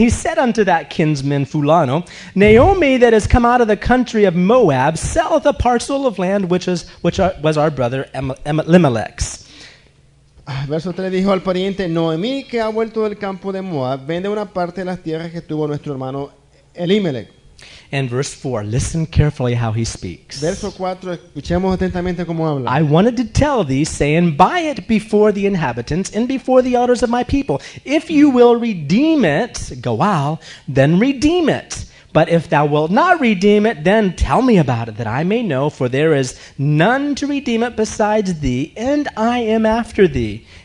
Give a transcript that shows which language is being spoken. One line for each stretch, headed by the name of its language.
English: he said unto that kinsman fulano, Naomi that has come out of the country of Moab selleth a parcel of land which was our brother Elimelech's.
Spanish: Verso 3 dijo al pariente Naomi que ha vuelto del campo de Moab, vende una parte de las tierras que tuvo nuestro hermano Elimelech.
English: And verse 4, listen carefully how he speaks.
Spanish: Verso 4, escuchemos atentamente cómo habla.
English: I wanted to tell thee, saying, buy it before the inhabitants and before the elders of my people. If you will redeem it, Goal, then redeem it. But if thou wilt not redeem it, then tell me about it, that I may know, for there is none to redeem it besides thee, and I am after thee.